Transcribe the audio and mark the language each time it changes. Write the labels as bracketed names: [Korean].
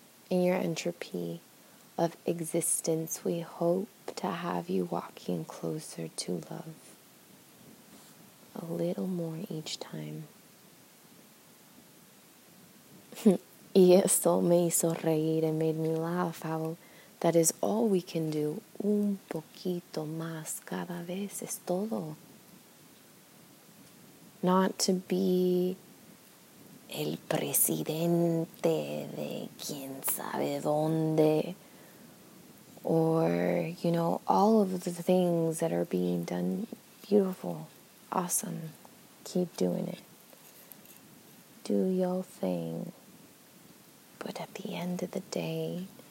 [English] In your entropy of existence, we hope to have you walking closer to love a little more each time. [Spanish] Y eso me hizo reír [English] and made me laugh how that is all we can do. [Spanish] Un poquito más cada vez es todo. [English] Not to be [Spanish] el presidente de quién sabe dónde, [English] or, you know, all of the things that are being done, beautiful, awesome, keep doing it, do your thing, but at the end of the day,